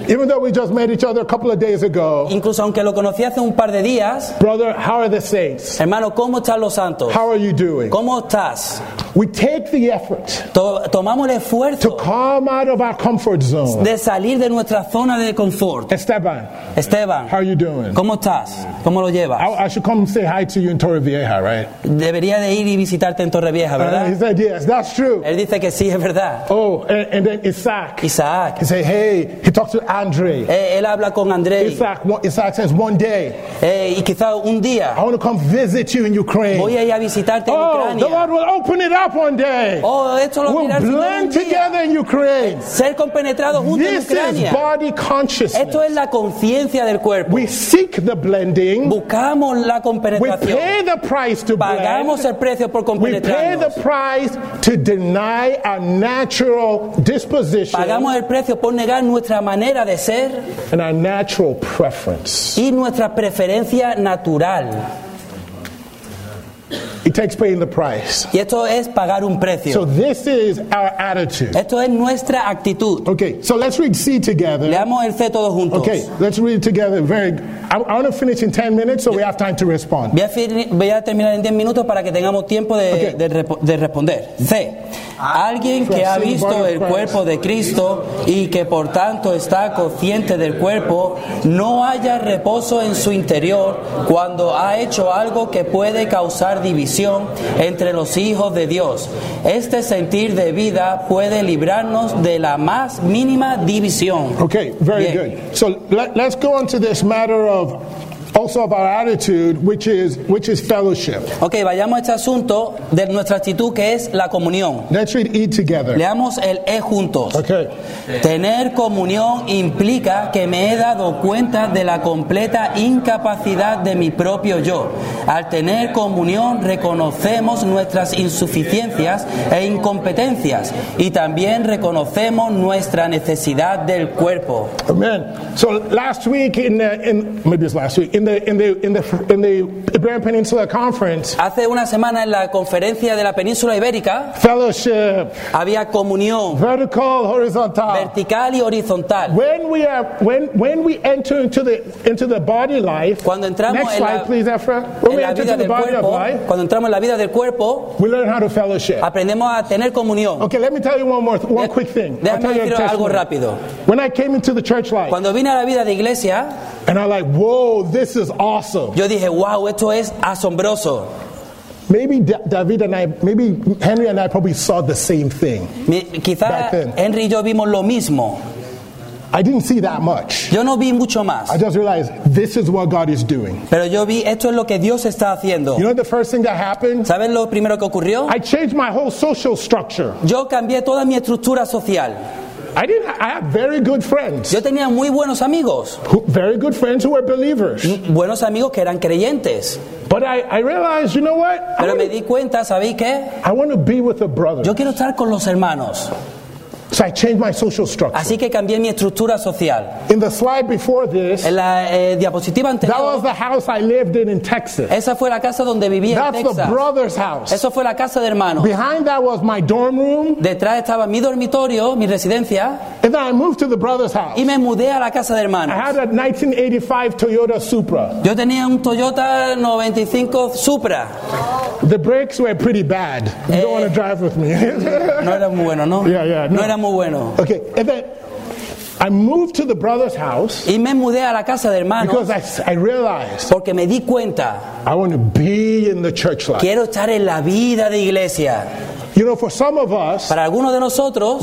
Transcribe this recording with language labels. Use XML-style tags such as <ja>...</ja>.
<en>Even though we just met each other a couple of days ago.</en> <es>Incluso aunque lo conocí hace un par de días.</es> <en>Brother, how are the saints?</en> <es>Hermano, ¿cómo están los santos?</es> <en>How are you doing?</en> <es>¿Cómo estás?</es> <en>We take the effort</en> <es>tomamos el esfuerzo</es> <en>to come out of our comfort zone.</en> <es>De salir de nuestra zona de confort.</es> <en>Esteban, how are you doing?</en> <es>¿Cómo estás? ¿Cómo lo llevas?</es> <en>I should come say hi to you in Torrevieja, right?</en> <es>Debería de ir y visitarte en Torrevieja, ¿verdad?</es> <en>He said yes, that's true.</en> <es>Él dice que sí, es verdad.</es> <en>Oh, and then Isaac. He said, hey, he talked to Andre.</en> <es>Él habla con Andre.</es> <en>Isaac says, one day.</en> <es>Y quizá un día.</es> <en>I want to come visit you in Ukraine.</en> <es>Voy a ir a visitarte.</es> <en>Oh, the Lord will open it up one day. We'll blend together in Ukraine.</en> <es>Ser compenetrados juntos en Ucrania.</es> <en>This is body consciousness.</en> <es>Esto es la conciencia del cuerpo.</es> <en>We seek the blending.</en> <es>Buscamos la compenetración.</es> <en>We pay the price to blend.</en> <es>Pagamos el precio por compenetrarnos.</es> <en>We pay the price to deny our natural disposition.</en> <es>Pagamos el precio por negar nuestra manera de ser.</es> <en>And our natural preference.</en> <es>Y nuestra preferencia natural.</es> <en>It takes paying the price.</en> <es>Y esto es pagar un precio.</es> <en>So this is our attitude.</en> <es>Esto es nuestra actitud.</es> <en>Okay, so let's read C together.</en> <es>Leamos el C todos juntos.</es> <en>Okay, let's read it together. I want to finish in 10 minutes, so we have time to respond.</en> <es>Voy a terminar en 10 minutos para que tengamos tiempo de responder. C. Alguien que ha visto el cuerpo de Cristo y que por tanto está consciente del cuerpo, no haya reposo en su interior cuando ha hecho algo que puede causar división entre los hijos de Dios. Este sentir de vida puede librarnos de la más mínima división.</es> <en>Okay, very good. So let's go on to this matter of also of our attitude, which is fellowship.</en> <es>Okay, vayamos a este asunto de nuestra actitud que es la comunión.</es> <en>Let's read E together.</en> <es>Leamos el E juntos.</es> <en>Okay.</en> <es>Tener comunión implica que me he dado cuenta de la completa incapacidad de mi propio yo. Al tener comunión, reconocemos nuestras insuficiencias e incompetencias y también reconocemos nuestra necesidad del cuerpo.</es> <en>Amen. So last week, maybe it's last week, in the Grand Peninsula Conference.</en> <es>Hace una semana en la conferencia de la Península Ibérica.</es> <en>Fellowship.</en> <es>Había comunión.</es> <en>Vertical, horizontal.</en> <es>Vertical y horizontal.</es> <en>When we enter into the body life.</en> <es>Cuando entramos</es> <en>next slide, please, Ephra. When we enter into the body of life.</en> <es>Cuando entramos en la vida del cuerpo.</es> <en>We learn how to fellowship.</en> <es>Aprendemos a tener comunión.</es> <en>Okay, let me tell you one quick thing.</en> <es>Déjame decir algo rápido.</es> <en>When I came into the church life.</en> <es>Cuando vine a la vida de iglesia.</es> <en>And I'm like, whoa, this is awesome.</en> <es>Yo dije, wow, esto es asombroso.</es> <en>Maybe maybe Henry and I probably saw the same thing.</en> <es>Quizá Henry y yo vimos lo mismo.</es> <en>I didn't see that much.</en> <es>Yo no vi mucho más.</es> <en>I just realized this is what God is doing.</en> <es>Pero yo vi esto es lo que Dios está haciendo.</es> <en>You know the first thing that happened?</en> <es>¿Sabes lo primero que ocurrió?</es> <en>I changed my whole social structure.</en> <es>Yo cambié toda mi estructura social.</es> <en>I have very good friends.</en> <es>Yo tenía muy buenos amigos.</es> <en>Very good friends who were believers.</en> <es>Buenos amigos que eran creyentes.</es> <en>But I realized, you know what?</en> <es>Pero me di cuenta, ¿sabéis qué?</es> <en>I want to be with the brothers.</en> <es>Yo quiero estar con los hermanos.</es> <en>So I changed my social structure.</en> <es>Así que cambié mi estructura social.</es> <en>In the slide before this,</en> <es>en la diapositiva anterior,</es> <en>that was the house I lived in Texas.</en> <es>Esa fue la casa donde vivía en Texas.</es> <en>That's the brother's house.</en> <es>Eso fue la casa de hermanos.</es> <en>Behind that was my dorm room.</en> <es>Detrás estaba mi dormitorio, mi residencia.</es> <en>And then I moved to the brother's house.</en> <es>Y me mudé a la casa de hermanos.</es> <en>I had a 1985 Toyota Supra.</en> <es>Yo tenía un Toyota 95 Supra.</es> <en>The brakes were pretty bad. You don't want to drive with me.</en> <es>No era muy bueno, ¿no?</es> <en>Yeah.</en> <es>Muy bueno.</es> <en>Okay, and then I moved to the brother's house.</en> <es>Y me mudé a la casa de hermanos.</es> <en>Because I realized.</en> <es>Porque me di cuenta.</es> <en>I want to be in the church life.</en> <es>Quiero estar en la vida de iglesia.</es> <en>You know, for some of us,</en> <es>para algunos de nosotros,</es>